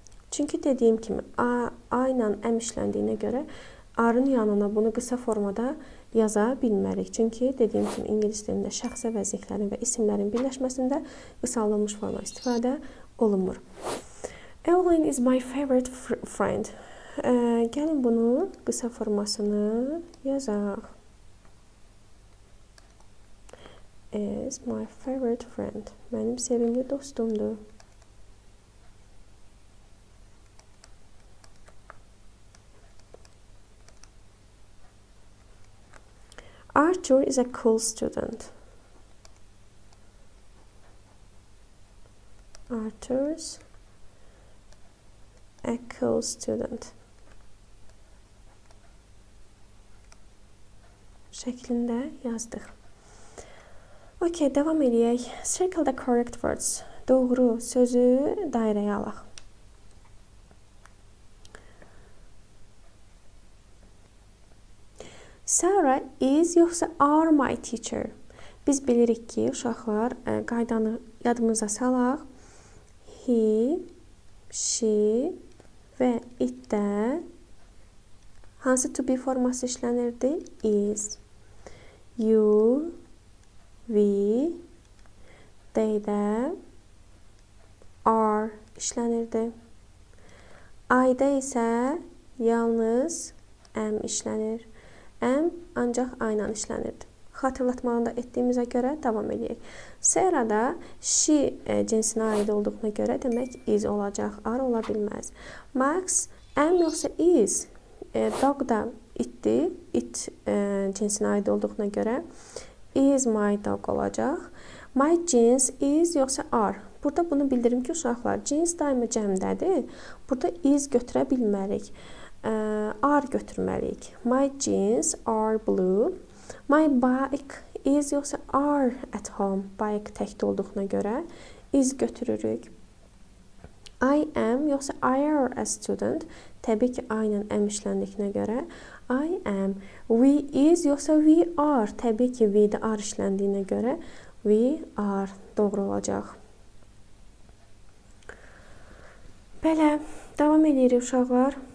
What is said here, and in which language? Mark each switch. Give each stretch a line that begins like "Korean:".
Azerbaijani: Çünki dediyim kimi, A ilə M işləndiyinə görə R-ın yanına bunu qısa formada yaza bilmərik. Çünki dediyim kimi, ingilis dilində şəxsə vəziklərin və isimlərin birləşməsində qısalılmış forma istifadə olunmur.
English: Evelyn is my favorite friend.
Azerbaijani: Gəlin bunu qısa formasını yazaq.
English: Is my favorite friend.
Azerbaijani: Mənim sevimli dostumdur.
English: Arthur is a cool student. Arthur's a cool student.
Azerbaijani: Şəklində yazdıq. Okay, devam edək.
English: Circle the correct words.
Azerbaijani: Doğru sözü dairəyə alaq.
English: Sarah is yoxsa are my teacher?
Azerbaijani: Biz bilirik ki, uşaqlar, qaydanı yadımıza salaq. He, she və it-də hansı to be forması işlənirdi? Is. You, we, they-də are işlənirdi. I-də isə yalnız am işlənir. Am ancaq I-lə işlənirdi. Xatırlatmalarında etdiyimizə görə davam edək. Sarah-da she cinsinə aid olduğuna görə demək is olacaq, are ola bilməz. Max am yoxsa is? Dog da itdi, it cinsinə aid olduğuna görə is my dog olacaq.
English: My jeans is yoxsa are?
Azerbaijani: Burada bunu bildirim ki, uşaqlar, jeans daimə cəmdədir. Burada is götürə bilmərik.
English: Are götürməliyik. My jeans are blue. My bike is yoxsa are at home?
Azerbaijani: Bike təkdə olduğuna görə is götürürük.
English: I am yoxsa I are a student?
Azerbaijani: Təbii ki, I ilə am işləndiyinə görə I am.
English: We is yoxsa we are?
Azerbaijani: Təbii ki, we-də are işləndiyinə görə we are doğru olacaq. Belə, davam edirik uşaqlar.